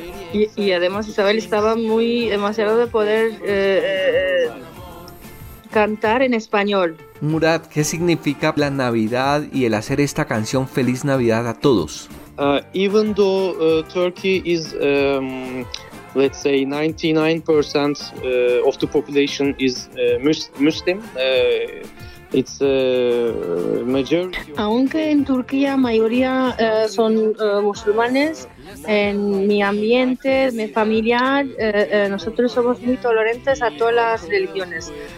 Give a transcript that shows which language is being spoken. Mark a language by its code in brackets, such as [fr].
[es] Y además Isabel estaba muy emocionada de poder cantar en español. Murat, ¿qué significa la Navidad y el hacer esta canción Feliz Navidad a todos? [en] Even though Turkey is, let's say, 99% of the population is Muslim, it's a majority. [es] Aunque en Turquía mayoría son musulmanes, en mi ambiente, en mi familiar, nosotros somos muy tolerantes a todas las religiones.